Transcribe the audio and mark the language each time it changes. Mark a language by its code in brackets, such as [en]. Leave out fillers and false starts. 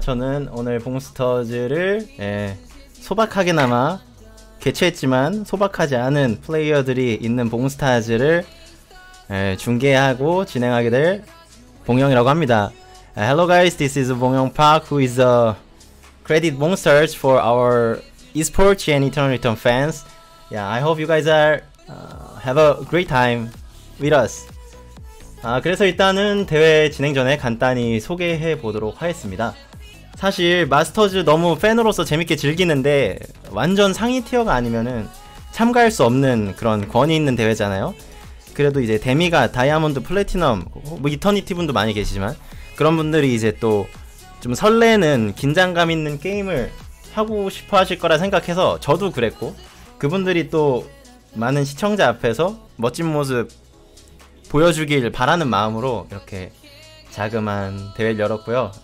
[ko] 저는 오늘 봉스터즈를, 소박하게나마 개최했지만 소박하지 않은 플레이어들이 있는 봉스터즈를, 중계하고 진행하게 될 봉영이라고 합니다. [en] Hello guys, this is Bongyoung Park, who is a credit Monsters for our esports and Eternal Return fans. Yeah, I hope you guys are, have a great time with us. [ko] 아, 그래서 일단은 대회 진행 전에 간단히 소개해 보도록 하겠습니다. 사실 마스터즈 너무 팬으로서 재밌게 즐기는데 완전 상위 티어가 아니면은 참가할 수 없는 그런 권위 있는 대회잖아요. 그래도 이제 데미가 다이아몬드, 플래티넘, 뭐 이터니티 분도 많이 계시지만 그런 분들이 이제 또좀 설레는 긴장감 있는 게임을 하고 싶어 하실 거라 생각해서 저도 그랬고 그분들이 또 많은 시청자 앞에서 멋진 모습 보여주길 바라는 마음으로 이렇게 자그마한 대회를 열었고요.